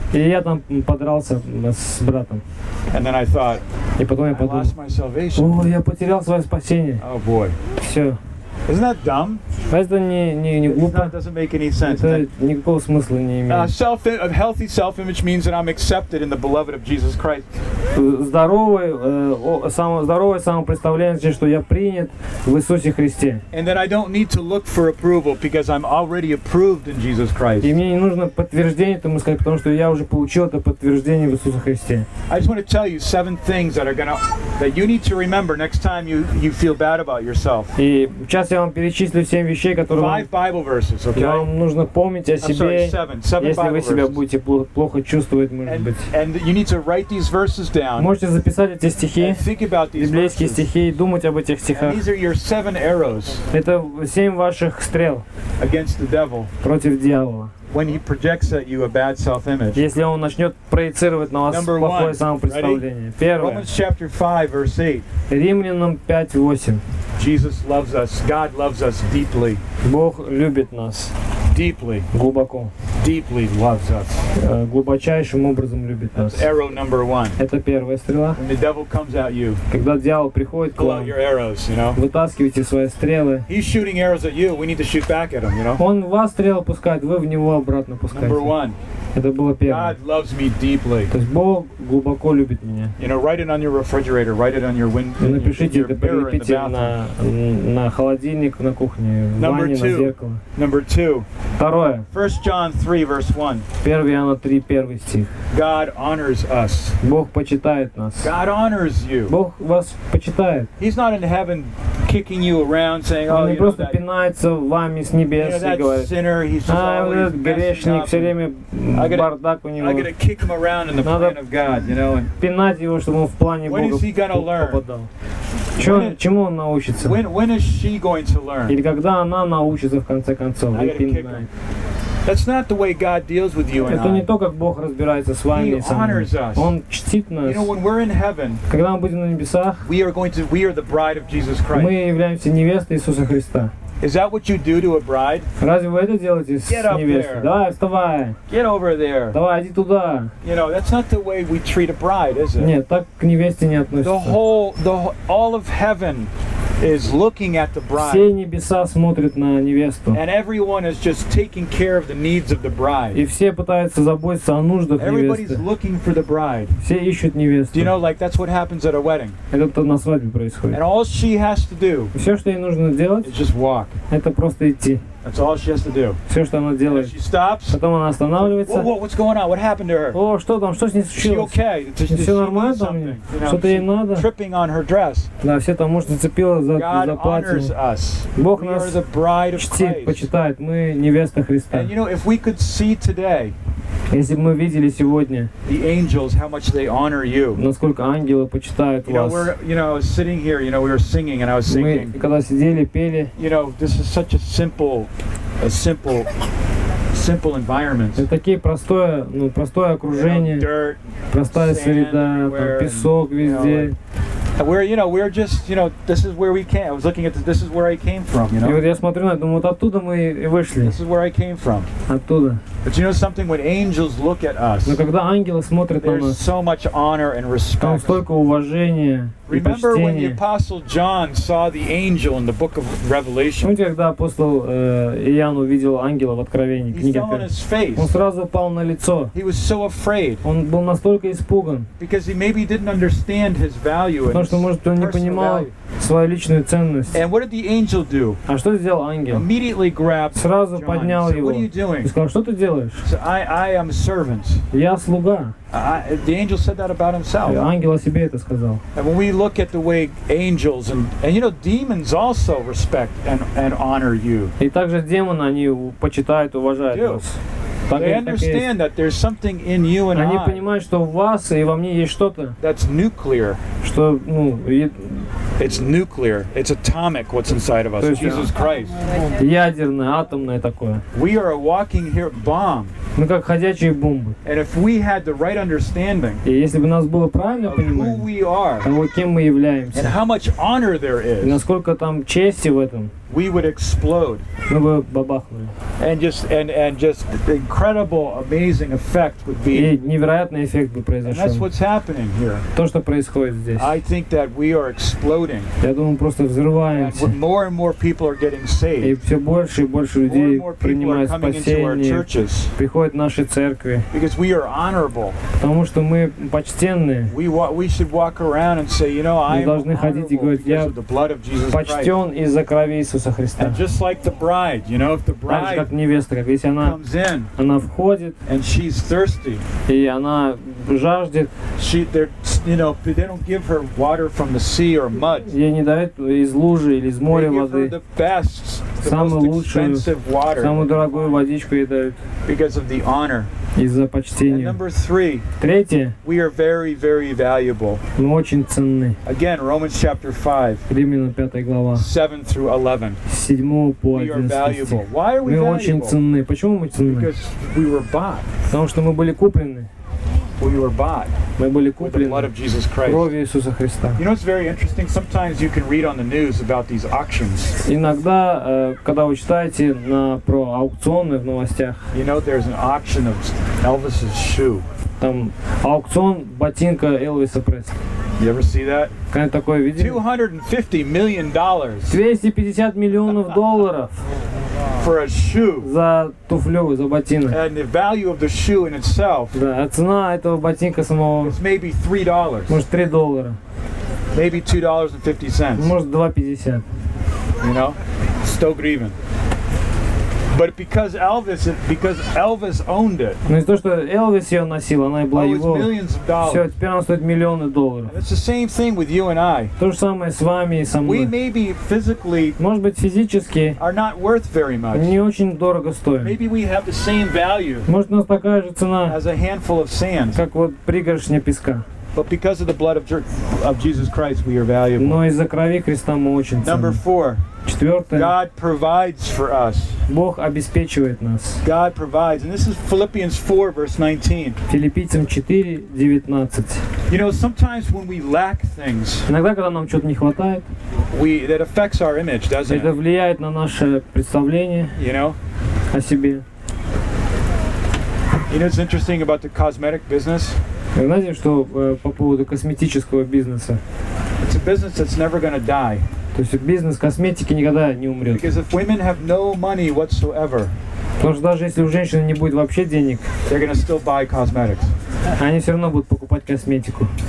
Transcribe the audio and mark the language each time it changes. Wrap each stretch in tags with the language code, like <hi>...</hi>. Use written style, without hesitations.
<ru>И я там подрался с братом.</ru> <en>And then I thought,</en> <ru>и потом я подумал,</ru> <en>I lost my salvation.</en> <ru>О, я потерял свое спасение.</ru> <en>Oh boy.</en> <ru>Все.</ru> <en>Isn't that dumb?</en> <ru>Это не глупо.</ru> <en>It doesn't make any sense.</en> <ru>Это никакого смысла не имеет.</ru> <en>A healthy self-image means that I'm accepted in the beloved of Jesus Christ.</en> <ru>Здоровое самопредставление значит, что я принят в Иисусе Христе.</ru> <en>And that I don't need to look for approval because I'm already approved in Jesus Christ.</en> <ru>И мне не нужно подтверждение, тому сказать, потому что я уже получил это подтверждение в Иисусе Христе.</ru> <en>I just want to tell you 7 things that you need to remember next time you feel bad about yourself.</en> <ru>И сейчас я вам перечислю 7 вещей, которые вам нужно помнить о себе, если вы себя будете плохо чувствовать, может быть.</ru> <en>And you need to write these verses down.</en> <ru>Можете записать эти стихи, библейские стихи, и думать об этих стихах.</ru> <en>These are your 7 arrows.</en> <ru>Это 7 ваших стрел</ru> <en>against the devil.</en> <ru>Против дьявола.</ru> <en>When he projects at you a bad self-image.</en> <ru>Если он начнет проецировать на вас плохое самопредставление. Первое.</ru> <en>Romans chapter 5, verse 8.</en> <ru>Римлянам 5:8.</ru> <en>Jesus loves us. God loves us deeply.</en> <ru>Бог любит нас.</ru> <en>Deeply.</en> <ru>Глубоко.</ru> <en>Deeply loves us.</en> <ru>Глубочайшим образом любит нас.</ru> <en>That's arrow number 1.</en> <ru>Это первая стрела.</ru> <en>When the devil comes at you.</en> <ru>Когда дьявол приходит к вам.</ru> <en>Pull out your arrows, you know.</en> <ru>Вытаскивайте свои стрелы.</ru> <en>He's shooting arrows at you. We need to shoot back at him, you know.</en> <ru>Он вас стрелы пускает, вы в него обратно пускаете.</ru> <en>Number 1.</en> <ru>Это было первое.</ru> <en>God loves me deeply.</en> <ru>То есть Бог глубоко любит меня.</ru> <en>You know, write it on your refrigerator. Write it on your window.</en> <ru>Напишите это, прилепите на холодильник, на кухне, в ванне, на зеркало.</ru> <en>Number 2.</en> <ru>Второе.</ru> <en>1 John 3, verse 1.</en> <ru>1 Иоанна 3, 1 стих.</ru> <en>God honors us.</en> <ru>Бог почитает нас.</ru> <en>God honors you.</en> <ru>Бог вас почитает.</ru> <en>He's not in heaven kicking you around, saying, oh, you</en> <ru>просто пинается вами с небес и говорит,</ru> <en>sinner, he's just always messing up.</en> <ru>Грешник, все время бардак у него.</ru> <en>I gotta kick him around in the plan of God, you know.</en> <ru>Пинать его, чтобы он в плане Бога попадал.</ru> <en>When is he gonna learn?</en> <ru>Чему он научится?</ru> <en>When is she going to learn?</en> <ru>Или когда она научится в конце концов?</ru> <en>That's not the way God deals with you and I.</en> <ru>Это не то, как Бог разбирается с вами.</ru> <en>He honors us.</en> <ru>Он чтит нас.</ru> <en>You know, when we're in heaven,</en> <ru>когда мы будем на небесах,</ru> <en>we are the bride of Jesus Christ.</en> <ru>Мы являемся невестой Иисуса Христа.</ru> <en>Is that what you do to a bride?</en> <ru>Разве вы это делаете с невестой? Давай, вставай.</ru> <en>Get over there.</en> <ru>Давай, иди туда.</ru> <en>You know, that's not the way we treat a bride, is it?</en> <ru>Нет, так к невесте не относится.</ru> <en>All of heaven is looking at the bride.</en> <ru>Все небеса смотрят на невесту.</ru> <en>And everyone is just taking care of the needs of the bride.</en> <ru>И все пытаются заботиться о нуждах невесты.</ru> <en>Everybody's looking for the bride.</en> <ru>Все ищут невесту.</ru> <en>Do you know, like that's what happens at a wedding.</en> <ru>Это то, на свадьбе происходит.</ru> <en>And all she has to do.</en> <ru>Все, что ей нужно делать.</ru> <en>Is just walk.</en> <ru>Это просто идти.</ru> <en>That's all she has to do.</en> <ru>Все, что она делает.</ru> <en>She stops.</en> <ru>Потом она останавливается.</ru> <en>Whoa, what's going on? What happened to her?</en> <ru>О, что там? Что с ней случилось?</ru> <en>Is she okay?</en> <ru>Все нормально там? Что-то ей надо?</ru> <en>Tripping on her dress.</en> <ru>Да, все там, может, зацепило за платье.</ru> <en>God honors us.</en> <ru>Бог нас чтит, почитает. Мы невеста Христа.</ru> <en>And you know, if we could see today.</en> <ru>Если бы мы видели сегодня,</ru> <en>the angels, how much they honor you.</en> <ru>Насколько ангелы почитают</ru> <en>you know,</en> <ru>вас.</ru> <en>You know, I was sitting here, you know, we were singing and I was singing.</en> <ru>Мы когда сидели, пели.</ru> <en>You know, this is such a simple environment.</en> <ru>Это такое простое окружение.</ru> <en>You know, dirt,</en> <ru>простая среда, там песок везде.</ru> <en>You know, we're just, you know, this is where we came. I was looking at this is where I came from, you know.</en> <ru>И вот я смотрю на это, думаю, вот оттуда мы и вышли.</ru> <en>This is where I came from.</en> <ru>Оттуда.</ru> <en>But you know something, when angels look at us,</en> <ru>но когда ангелы смотрят на нас,</ru> <en>there's so much honor and respect.</en> <ru>Там столько уважения.</ru> <en>Remember when the apostle John saw the angel in the book of Revelation?</en> <ru>Помните, когда апостол Иоанн увидел ангела в Откровении, книге Откровения? Он сразу пал на лицо.</ru> <en>He was so afraid.</en> <ru>Он был настолько испуган.</ru> <en>Because he maybe didn't understand his value.</en> <ru>Потому что, может, он не понимал свою личную ценность.</ru> <en>And what did the angel do?</en> <ru>А что сделал ангел?</ru> <en>Immediately grabbed.</en> <ru>Сразу поднял его.</ru> <en>What are you doing?</en> <ru>И сказал, что ты делаешь?</ru> <en>So I am a servant.</en> <ru>Я слуга.</ru> <en>The angel said that about himself.</en> <ru>Ангел о себе это сказал.</ru> <en>And when we look at the way angels and you know demons also respect and honor you.</en> <ru>И также демоны они почитают, уважают вас.</ru> <en>They understand that there's something in you and</en> <ru>они понимают, что в вас и во мне есть что-то.</ru> <en>That's nuclear.</en> <ru>Что ну</ru> <en>it's nuclear. It's atomic. What's inside of us? Jesus Christ.</en> <ru>Ядерное, атомное такое.</ru> <en>We are a walking here bomb.</en> <ru>Мы как ходячие бомбы.</ru> <en>And if we had the right understanding.</en> <ru>И если бы у нас было правильное понимание.</ru> <en>Who we are.</en> <ru>Того, кем мы являемся.</ru> <en>And how much honor there is.</en> <ru>И насколько там чести в этом.</ru> <en>We would explode.</en> <ru>Мы бы бабахнули.</ru> <en>And just the incredible, amazing effect would be.</en> <ru>И невероятный эффект бы произошел.</ru> <en>And that's what's happening here.</en> <ru>То, что происходит здесь.</ru> <en>I think that we are exploding.</en> <ru>Я думаю, просто взрываемся.</ru> <en>And more and more people are getting saved.</en> <ru>И все больше и больше людей принимают спасение. Приходят в наши церкви.</ru> <en>Because we are honorable.</en> <ru>Потому что мы почтенные.</ru> <en>We should walk around and say, you know, I'm.</en> <ru>Мы должны ходить и говорить, я почтен из-за крови.</ru> <en>And just like the bride, you know, if the bride</en> <ru>так, как невеста, как, если она,</ru> <en>comes in,</en> <ru>она входит,</ru> <en>and she's thirsty,</en> <ru>и она жаждет,</ru> <en>she, you know, they don't give her water from the sea or mud.</en> <ru>Ей не дают из лужи или из моря</ru> <en>they</en> <ru>воды.</ru> <en>The best, the</en> <ru>самую</ru> <en>most expensive water,</en> <ru>самую дорогую водичку ей дают.</ru> <en>Because of the honor.</en> <ru>Из-за почтения.</ru> <en>Number three.</en> <ru>Третье.</ru> <en>We are very, very valuable.</en> <ru>Мы очень ценны.</ru> <en>Again, Romans chapter 5.</en> <ru>Римлянам 5 глава.</ru> <en>7 through 11.</en> <ru>С 7 по 11.</ru> <en>We are valuable. Why are we valuable?</en> <ru>Мы очень ценны. Почему мы ценны?</ru> <en>Because we were bought.</en> <ru>Потому что мы были куплены.</ru> <en>We were bought.</en> <ru>Мы были куплены.</ru> <en>With the blood of Jesus Christ.</en> <ru>Кровью Иисуса Христа.</ru> <en>You know, it's very interesting. Sometimes you can read on the news about these auctions.</en> <ru>Иногда, когда вы читаете про аукционы в новостях.</ru> <en>You know, there's an auction of Elvis's shoe.</en> <ru>Там аукцион ботинка Элвиса Пресли.</ru> <en>You ever see that?</en> <ru>Когда такое видели?</ru> <en>$250 million.</en> <ru>250 миллионов долларов.</ru> <en>For a shoe.</en> <ru>За туфлю, за ботинок.</ru> <en>And the value of the shoe in itself.</en> <ru>Да, а цена этого ботинка самого.</ru> <en>It's maybe $3.</en> <ru>Может, $3.</ru> <en>Maybe $2.50.</en> <ru>Может, 2.50.</ru> <en>You know,</en> <ru>100 гривен.</ru> <en>But because Elvis owned it.</en> <ru>Но из-за того, что Элвис ее носил, она и была его. Все, теперь она стоит миллионы долларов.</ru> <en>And it's the same thing with you and I.</en> <ru>То же самое с вами и со мной.</ru> <en>We may be physically.</en> <ru>Может быть, физически.</ru> <en>Are not worth very much.</en> <ru>Не очень дорого стоим.</ru> <en>Maybe we have the same value.</en> <ru>Может, у нас такая же цена.</ru> <en>As a handful of sand.</en> <ru>Как вот пригоршня песка.</ru> <en>But because of the blood of Jesus Christ, we are valuable.</en> <ru>Но из-за крови Христа мы очень ценны.</ru> <en>Number four.</en> <ru>Четвертое.</ru> <en>God provides for us.</en> <ru>Бог обеспечивает нас.</ru> <en>God provides, and this is Philippians 4, verse 19.</en> <ru>Филиппийцам 4:19.</ru> <en>You know, sometimes when we lack things.</en> <ru>Иногда, когда нам чего-то не хватает.</ru> <en>That affects our image, doesn't it?</en> <ru>Это влияет на наше представление.</ru> <en>You know.</en> <ru>О себе.</ru> <en>You know, it's interesting about the cosmetic business.</en> <ru>Знаете, что по поводу косметического бизнеса?</ru> <en>It's a business that's never gonna die.</en> <ru>То есть бизнес косметики никогда не умрет.</ru> <en>Because if women have no money whatsoever.</en> <ru>Потому что даже если у женщины не будет вообще денег,</ru> <en>they're gonna still buy cosmetics.</en> <ru>Они все равно будут покупать косметику.</ru>